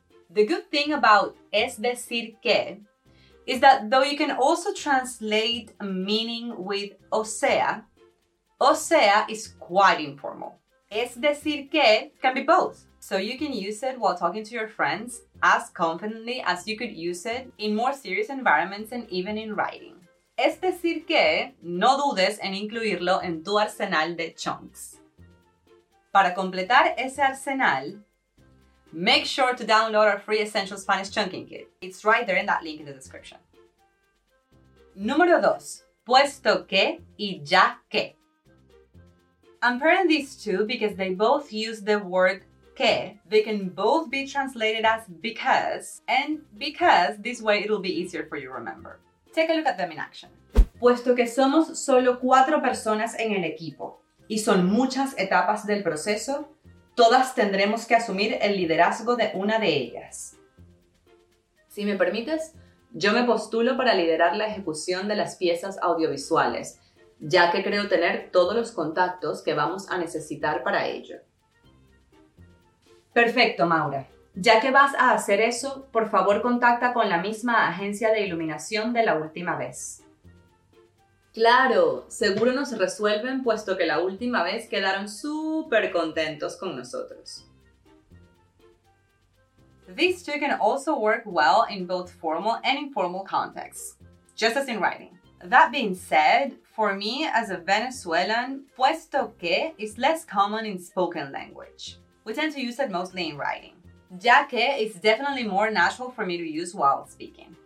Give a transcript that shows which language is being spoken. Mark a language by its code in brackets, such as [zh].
[en] The good thing about es decir que is that though you can also translate meaning with o sea is quite informal. Es decir que can be both, so you can use it while talking to your friends as confidently as you could use it in more serious environments and even in writing. [es] Es decir que, no dudes en incluirlo en tu arsenal de chunks. Para completar ese arsenal, [en] make sure to download our free Essential Spanish Chunking Kit. It's right there in that link in the description. [es] Número 2. [en] Puesto que y ya que. I'm pairing these two because they both use the word que, they can both be translated as because, and because this way it'll be easier for you to remember. Take a look at them in action. [es] Puesto que somos solo 4 personas en el equipo y son muchas etapas del proceso, todas tendremos que asumir el liderazgo de una de ellas. Si me permites, yo me postulo para liderar la ejecución de las piezas audiovisuales, ya que creo tener todos los contactos que vamos a necesitar para ello. Perfecto, Maura. Ya que vas a hacer eso, por favor contacta con la misma agencia de iluminación de la última vez. Claro, seguro nos resuelven puesto que la última vez quedaron súper contentos con nosotros. [en] These two can also work well in both formal and informal contexts, just as in writing. That being said, for me as a Venezuelan, puesto que is less common in spoken language. We tend to use it mostly in writing. Ya que is definitely more natural for me to use while speaking.